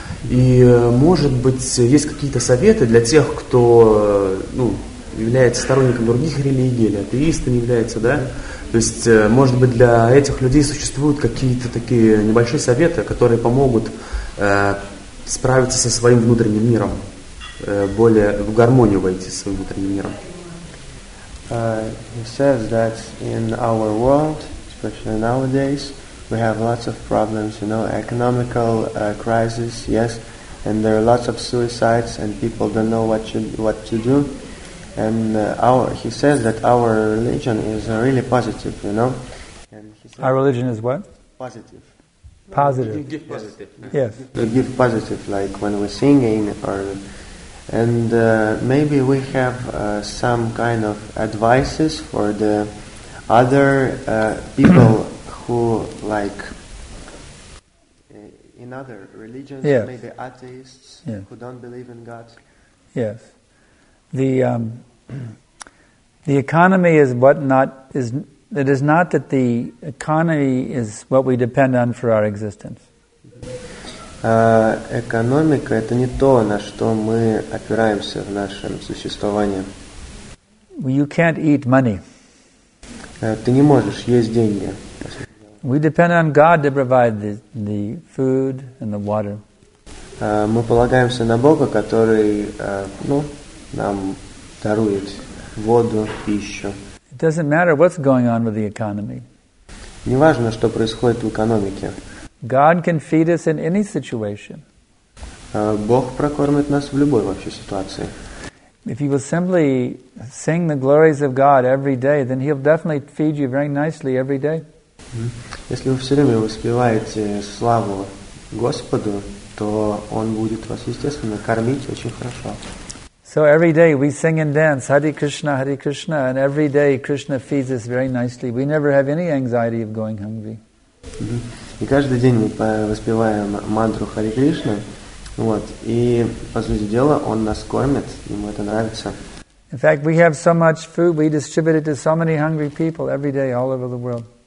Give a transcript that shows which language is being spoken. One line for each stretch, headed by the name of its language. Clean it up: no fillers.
Russian: И, может быть, есть какие-то советы для тех, кто, является сторонником других религий или атеистом является, да? То есть, может быть, для этих людей существуют какие-то такие небольшие советы, которые помогут справиться со своим внутренним миром, более в гармонию войти со своим внутренним миром.
English: He says that in our world, especially nowadays, we have lots of problems, economical crisis, yes, and there are lots of suicides and people don't know what to do. And he says that our religion is really positive, And he says our religion is what? Positive. Positive. You give positive. Yes. We give positive, like when we're singing, and maybe we have some kind of advices for the other people who like in other religions, yes. Maybe atheists, yes. Who don't believe in God. Yes. The economy is what not is. It is not that the economy is what we depend on for our existence.
Russian: Экономика – это не то, на что мы опираемся в нашем существовании.
English: You can't eat money.
Russian: Ты не можешь есть деньги.
English: We depend on God to provide the food and the water.
Russian: Мы полагаемся на Бога, который, ну, нам дарует воду, пищу.
English: It doesn't matter what's going on with the economy.
Russian: Не важно, что происходит в экономике.
English: God can feed us in any situation.
Russian: Бог прокормит нас в любой вообще ситуации.
English: If you will simply sing the glories of God every day, then He'll definitely feed you very nicely every day.
Russian: Если вы все время воспеваете славу Господу, то Он будет вас, естественно, кормить очень хорошо.
English: So every day we sing and dance, Hare Krishna, and every day Krishna feeds us very nicely. We never have any anxiety of going hungry.
Russian: И каждый день мы воспеваем мантру Hare Krishna, вот, и, по сути дела, Он нас кормит, Ему это нравится.
English: In fact, we have so much food, we distribute it to so many hungry people every day all over the world.